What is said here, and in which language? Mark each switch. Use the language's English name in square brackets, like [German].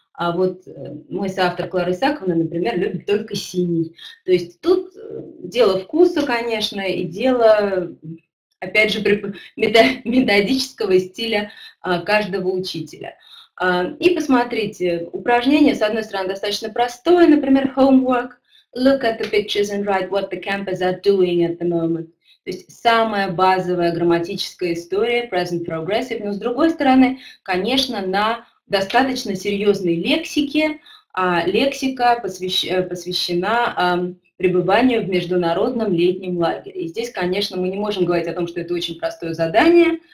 [Russian] А вот мой соавтор Клара Исаковна, например, любит только синий. То есть тут дело вкуса, конечно, и дело, опять же, методического стиля каждого учителя. И посмотрите, упражнение, с одной стороны, достаточно простое, например, homework. [English] Look at the pictures and write what the campers are doing at the moment. [Russian] То есть самая базовая грамматическая история, present progressive. Но, с другой стороны, конечно, на достаточно серьезной лексике, лексика посвящена пребыванию в международном летнем лагере. И здесь, конечно, мы не можем говорить о том, что это очень простое задание.